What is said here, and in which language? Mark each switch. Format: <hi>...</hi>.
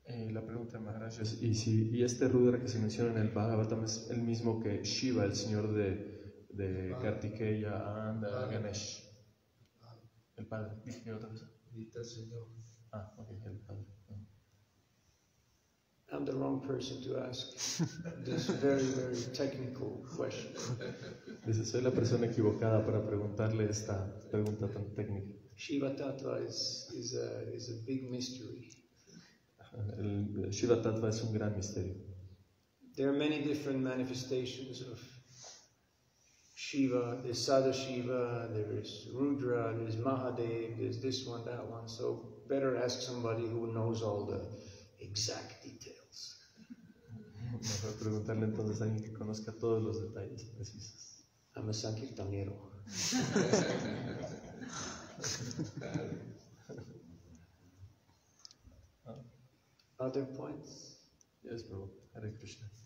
<es>La pregunta de Maharaj es, ¿y este Rudra que se menciona en el Bhagavatam es el mismo que Shiva, el señor de Kartikeya and Ganesh? El padre, dije otra vez. Dice el señor. Ah, ok, el padre.</es> <en>I'm the wrong person to ask this very, very technical question.</en> <es>Dice, soy la persona equivocada para preguntarle esta pregunta tan técnica.</es> <en>Shiva Tattva is a big mystery.</en> <es>Shiva Tattva es un gran misterio.</es> <en>There are many different manifestations of Shiva. There's Sada Shiva, there is Rudra, there's Mahadev, there's this one, that one. So better ask somebody who knows all the exact details.</en> <es>Mejor preguntarle entonces a alguien que conozca todos los detalles precisos. A mi sankirtanero.</es> <en>Other points? Yes, Prabhu. Hare Krishna.</en>